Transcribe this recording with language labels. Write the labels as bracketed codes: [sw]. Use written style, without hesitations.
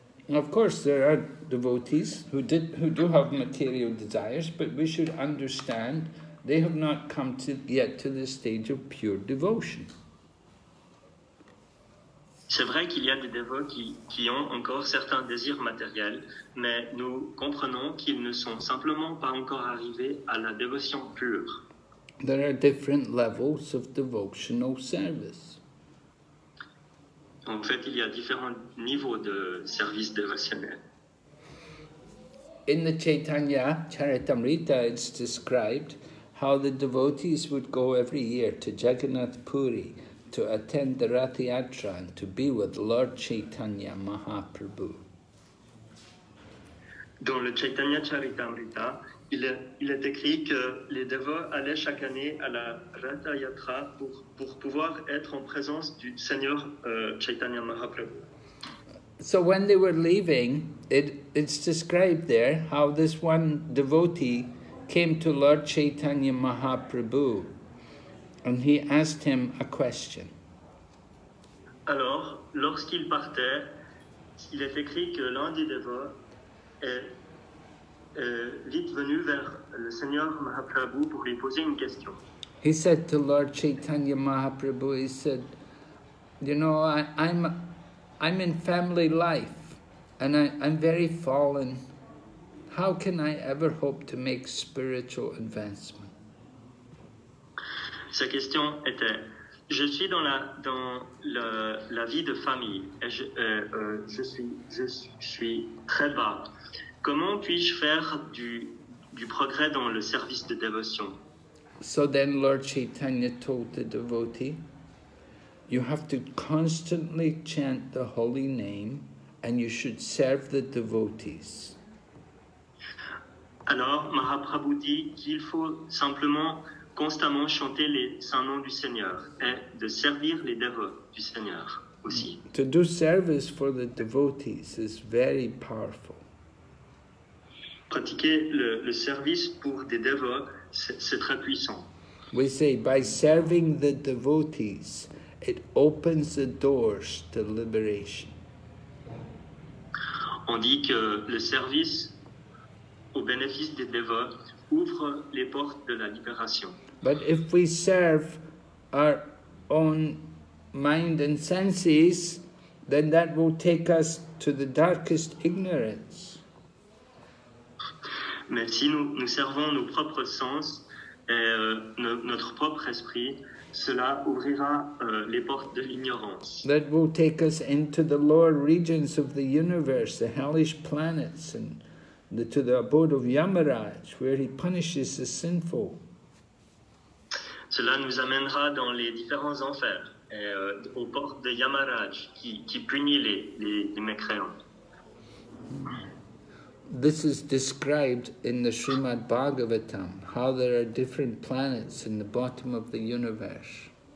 [en] Of course, there are devotees who do have material desires, but we should understand they have not come yet to the stage of pure devotion. [fr] C'est vrai qu'il y a des dévots qui ont encore certains désirs matériels, mais nous comprenons qu'ils ne sont simplement pas encore arrivés à la dévotion pure. [en] There are different levels of devotional service. [fr] En fait, il y a différents niveaux de service dévotionnel. [en] In the Chaitanya Charitamrita, it's described how the devotees would go every year to Jagannath Puri to attend the Rath Yatra and to be with Lord Chaitanya Mahaprabhu. [fr] Dans le Chaitanya Charitamrita, il est écrit que les dévots allaient chaque année à la Rath Yatra pour pouvoir être en présence du Seigneur Chaitanya Mahaprabhu. [en] So when they were leaving, it's described there how this one devotee came to Lord Chaitanya Mahaprabhu and he asked him a question. [fr] Alors, lorsqu'il partait, il est écrit que l'un des dévots est vite venu vers le Seigneur Mahaprabhu pour lui poser une question. [en] He said to Lord Chaitanya Mahaprabhu, he said, you know, I'm in family life and I'm very fallen. How can I ever hope to make spiritual advancement? [fr] Sa question était, je suis dans la vie de famille et je suis très bas. Comment puis-je faire du progrès dans le service de dévotion? [en] So then Lord Chaitanya told the devotee, you have to constantly chant the holy name and you should serve the devotees. [fr] Alors Mahaprabhu dit qu'il faut simplement constamment chanter les saints noms du Seigneur et de servir les dévots du Seigneur aussi. [en] To do service for the devotees is very powerful. [fr] Pratiquer le service pour des dévots, c'est très puissant. [en] We say, by serving the devotees, it opens the doors to liberation. [fr] On dit que le service au bénéfice des dévots ouvre les portes de la libération. [en] But if we serve our own mind and senses, then that will take us to the darkest ignorance. [fr] Mais si nous servons nos propres sens et notre propre esprit, cela ouvrira les portes de l'ignorance. [en] That will take us into the lower regions of the universe, the hellish planets, and to the abode of Yamaraj, where he punishes the sinful. [fr] Cela nous amènera dans les différents enfers, aux portes de Yamaraj, qui punit les mécréants. [en] This is described in the Srimad Bhagavatam, how there are different planets in the bottom of the universe.